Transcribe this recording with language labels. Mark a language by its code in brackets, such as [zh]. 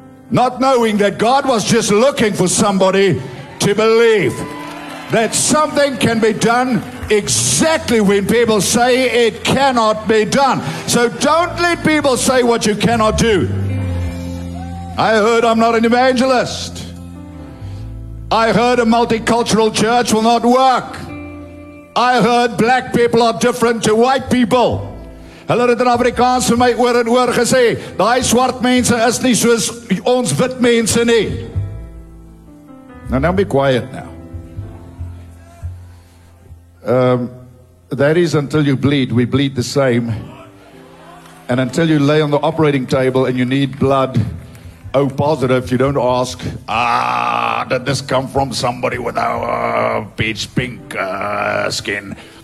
[en] Not knowing that God was just looking for somebody to believe that something can be done exactly when people say it cannot be done. So don't let people say what you cannot do. I heard I'm not an evangelist. I heard a multicultural church will not work. I heard black people are different to white people. [af] Hulle het in Afrikaans vir my oor en oor gesê, daai swart mense is nie soos ons wit mense nie. [en] Now be quiet now. That is until you bleed, we bleed the same. And until you lay on the operating table and you need blood, O positive, you don't ask, did this come from somebody with a peach pink skin?